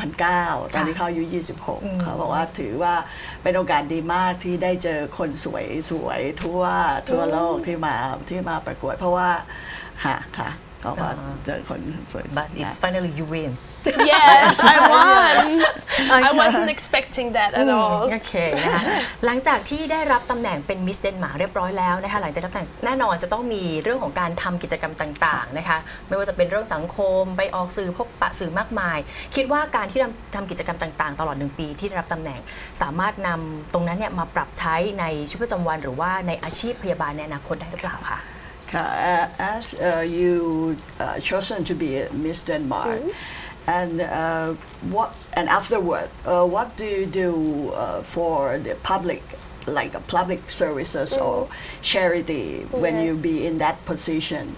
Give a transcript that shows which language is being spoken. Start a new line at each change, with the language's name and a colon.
Thai: 2009ตอนนี้เขาอายุ26เขาบอกว่าถือว่าเป็นโอกาสดีมากที่ได้เจอคนสวยสวยทั่วโลกที่มาประกวดเพราะว่าค่ะก็ว่าเจอคนสวย
English: But it's finally you win Yes I won I wasn't expecting that at all
Thai: Okay หลังจากที่ได้รับตำแหน่งเป็นมิสเดนมาร์กเรียบร้อยแล้วนะคะหลังจากรับตำแหน่งแน่นอนจะต้องมีเรื่องของการทำกิจกรรมต่างๆนะคะไม่ว่าจะเป็นเรื่องสังคมไปออกสื่อพบปะสื่อมากมายคิดว่าการที่ทำกิจกรรมต่างๆตลอด1ปีที่ได้รับตำแหน่งสามารถนำตรงนั้นเนี่ยมาปรับใช้ในชีวิตประจำวันหรือว่าในอาชีพพยาบาลในอนาคตได้หรือเปล่าคะ
English: As you chosen to be Miss Denmark, and afterward, what do you do for the public, like public services or charity when you be in that position?